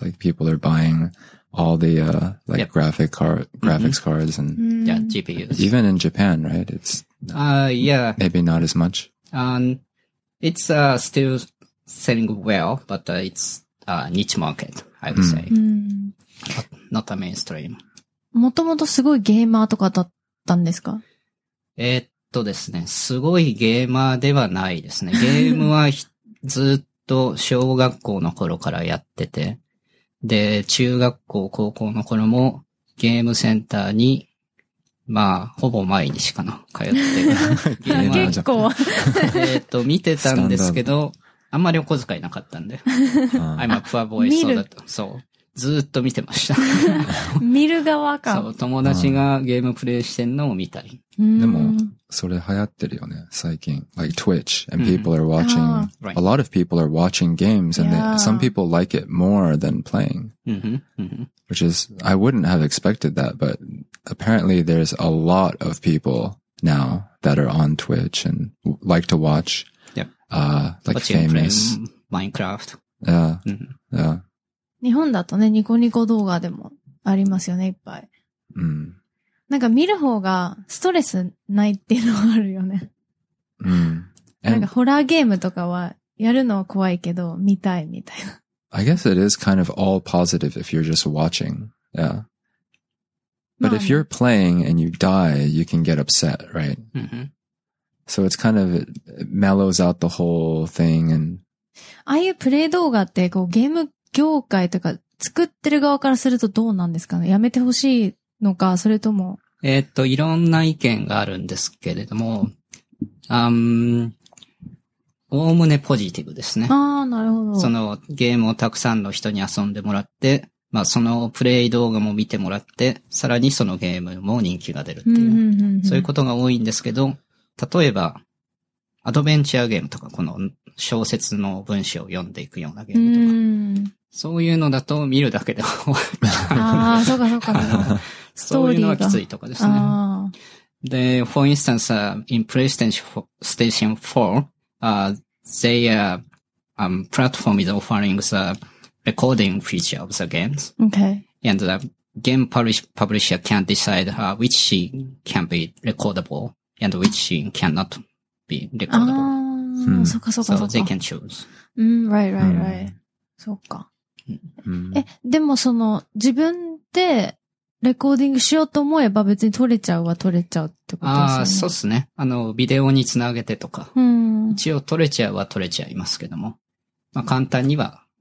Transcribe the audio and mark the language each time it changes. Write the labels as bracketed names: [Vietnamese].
[English] Like people are buying all the, graphics cards and. Yeah, GPUs. Even in Japan, right? It's. Maybe not as much. It's, still selling well, but it's a niche market, I would say. But not a mainstream. [Japanese] もともとすごいゲーマーとかだったんですか？ですね、すごいゲーマーではないですね。ゲームはずっと小学校の頃からやってて、で、中学校、高校の頃もゲームセンターに、まあ、ほぼ毎日かな、通って。ゲーマー結構。見てたんですけど、あんまりお小遣いなかったんで。 [English] I'm a poor boy, [Japanese] そうだと。そう。ずっと見てました。見る側か。そう、友達がゲームプレイしてんのを見たり。でも、それ流行ってるよね、最近。 [English] Like Twitch, and people are watching, a lot of people are watching games, and some people like it more than playing. Which is, I wouldn't have expected that, but apparently there's a lot of people now that are on Twitch and like to watch, like famous. Minecraft. Yeah. [Japanese] 日本だとね、ニコニコ動画でもありますよね、いっぱい。なんか見る方がストレスないっていうのがあるよね。なんかホラーゲームとかはやるのは怖いけど、見たいみたいな。 [English] I guess it is kind of all positive if you're just watching. Yeah. But if you're playing and you die, you can get upset, right? So it's kind of, it mellows out the whole thing and... [Japanese] ああいうプレイ動画ってこうゲーム業界とか作ってる側からするとどうなんですかね、やめてほしいのか、それとも、いろんな意見があるんですけれども、おおむねポジティブですね。ああ、なるほど。そのゲームをたくさんの人に遊んでもらって、まあそのプレイ動画も見てもらって、さらにそのゲームも人気が出るっていう、うんうんうんうん、そういうことが多いんですけど、例えばアドベンチャーゲームとか、この小説の文章を読んでいくようなゲームとか、うん、そういうのだと見るだけで終わる。ああ、そうかそうか。そういうのはきついとかですね。で、 [English] for instance,、in PlayStation 4,、they are,、platform is offering the recording feature of the games. Okay. And the game publisher can decide、which scene can be recordable and which scene cannot be recordable. [Japanese] ああ、そうかそうかそうか。 [English] So they can choose. Right, right, right. [Japanese] そうか。え、でもその自分でレコーディングしようと思えば別に撮れちゃうは撮れちゃうってことですよね。ああ、そうですね。あのビデオにつなげてとか、うん、一応撮れちゃうは撮れちゃいますけども、まあ簡単には